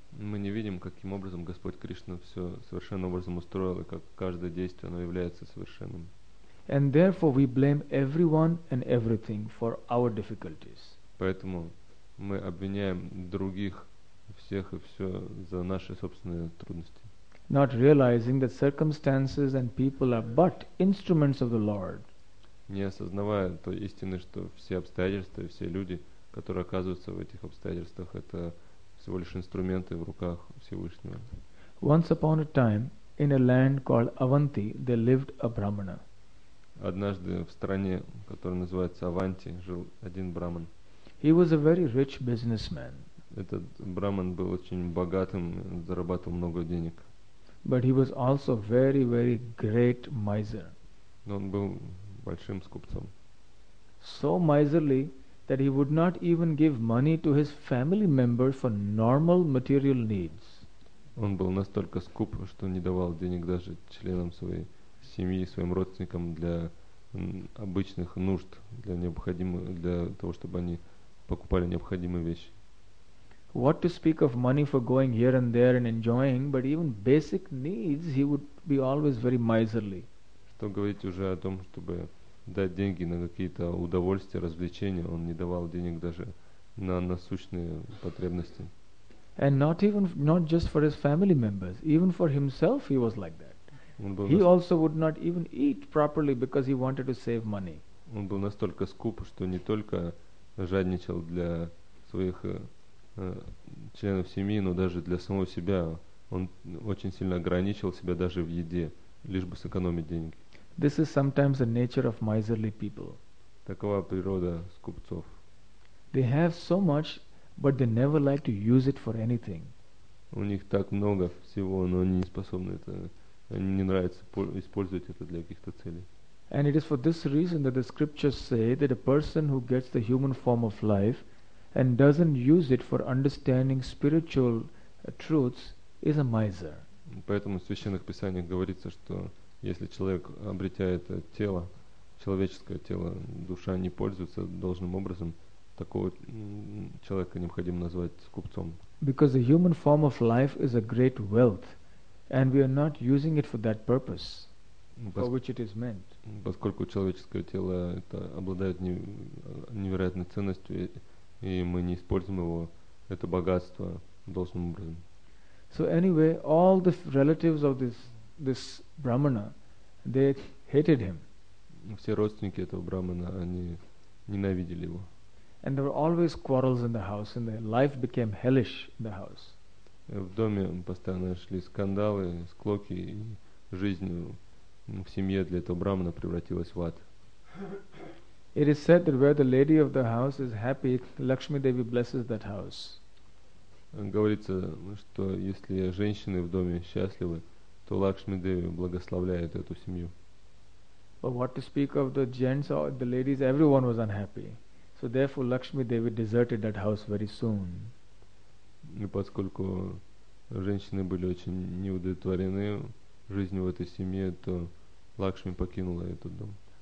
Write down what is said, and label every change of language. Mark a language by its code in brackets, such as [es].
[ru] Мы не видим, каким образом Господь Кришна все совершенным образом устроил, и как каждое действие оно является совершенным. [en] And therefore we blame everyone and everything for our difficulties. [ru] Поэтому мы обвиняем других, всех и все за наши собственные трудности. [en] Not realizing that circumstances and people are but instruments of the Lord. [ru] Не осознавая той истины, что все обстоятельства и все люди, которые оказываются в этих обстоятельствах, это всего лишь инструменты в руках Всевышнего. [en] Once upon a time, in a land called Avanti, there lived a Brahmana. [ru] Однажды в стране, которая называется Аванти, жил один Брахман. [en] He was a very rich businessman. [ru] Этот Брахман был очень богатым, зарабатывал много денег. [en] But he was also very, very great miser. [ru] Но он был большим скупцом. [en] So miserly that he would not even give money to his family members for normal material needs. [ru] Он был настолько скуп, что не давал денег даже членам своей семьи, своим родственникам для обычных нужд, для необходимых, для того, чтобы они покупали необходимые вещи. [en] What to speak of money for going here and there and enjoying, but even basic needs he would be always very miserly. [ru] Что говорить уже о том, чтобы дать деньги на какие-то удовольствия, развлечения, он не давал денег даже на насущные потребности. [en] And not just for his family members, even for himself he was like that. He also would not even eat properly because he wanted to save money. [ru] Он был настолько скуп, что не только жадничал для своих членов семьи, но даже для самого себя он очень сильно ограничивал себя даже в еде, лишь бы сэкономить деньги. [en] This is sometimes the nature of miserly people. [ru] Такова природа скупцов. [en] They have so much, but they never like to use it for anything. [ru] У них так много всего, но они не способны это не нравится использовать это для каких-то целей. [en] And it is for this reason that the scriptures say that a person who gets the human form of life and doesn't use it for understanding spiritual truths is a miser. [ru] Поэтому в священных писаниях говорится, что если человек обретает тело, человеческое тело, душа не пользуется должным образом, такого человека необходимо назвать скупцом. [en] Because the human form of life is a great wealth, and we are not using it for that purpose for which it is meant. [ru] Поскольку человеческое тело это обладает невероятной ценностью, и мы не используем его, это богатство, должным образом. [en] So anyway, all the relatives of this Brahmana, they hated him. [ru] Все родственники этого Брахмана, они ненавидели его. [en] And there were always quarrels in the house, and their life became hellish in the house. [ru] В доме постоянно шли скандалы, склоки, и жизнь в семье для этого Брахмана превратилась в ад. [en] It is said that where the lady of the house is happy, Lakshmi Devi blesses that house. [ru] Говорится, что если женщины в доме счастливы, то Лакшми Деви благословляет эту семью. [en] But what to speak of the gents or the ladies, everyone was unhappy. So therefore Lakshmi Devi deserted that house very soon. [ru] И поскольку женщины были очень неудовлетворены жизнью в этой семье, то Лакшми покинула этот дом.